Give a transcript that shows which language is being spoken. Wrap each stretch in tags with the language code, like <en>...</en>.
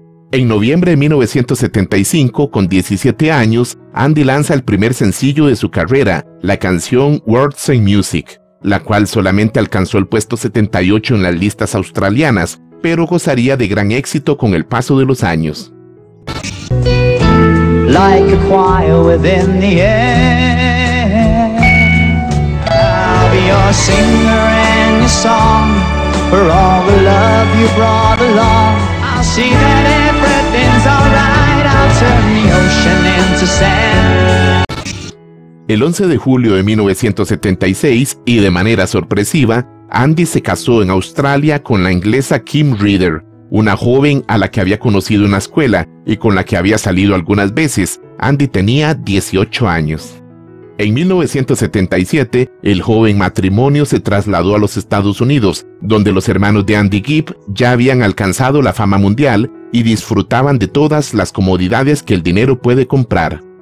<es>En noviembre de 1975, con 17 años, Andy lanza el primer sencillo de su carrera, la canción Words and Music, la cual solamente alcanzó el puesto 78 en las listas australianas, pero gozaría de gran éxito con el paso de los años.</es> <en>Like a choir within the air, I'll be your singer and your song for all the love you brought along. I'll see that everything's alright, I'll turn the ocean into sand.</en> <es>El 11 de julio de 1976, y de manera sorpresiva, Andy se casó en Australia con la inglesa Kim Reader, una joven a la que había conocido en la escuela y con la que había salido algunas veces. Andy tenía 18 años. En 1977, el joven matrimonio se trasladó a los Estados Unidos, donde los hermanos de Andy Gibb ya habían alcanzado la fama mundial y disfrutaban de todas las comodidades que el dinero puede comprar.</es>